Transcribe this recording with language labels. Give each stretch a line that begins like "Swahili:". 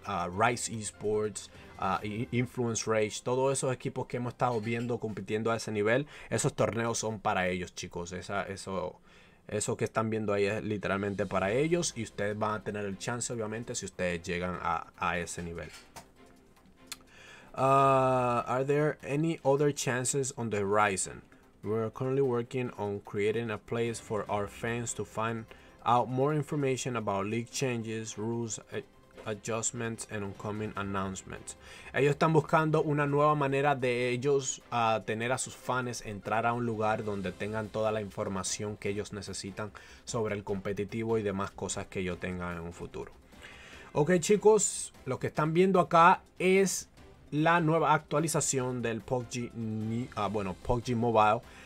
Spanish: Rise Esports, Influence Rage, todos esos equipos que hemos estado viendo compitiendo a ese nivel, esos torneos son para ellos, chicos. Eso que están viendo ahí es literalmente para ellos y ustedes van a tener el chance, obviamente, si ustedes llegan a ese nivel.
English: Are there any other chances on the horizon? We are currently working on creating a place for our fans to find out more information about league changes, rules, adjustments, and upcoming announcements.
Spanish: Ellos están buscando una nueva manera de ellos tener a sus fans entrar a un lugar donde tengan toda la información que ellos necesitan sobre el competitivo y demás cosas que yo tenga en un futuro. Ok, chicos, lo que están viendo acá es la nueva actualización del PUBG, PUBG Mobile.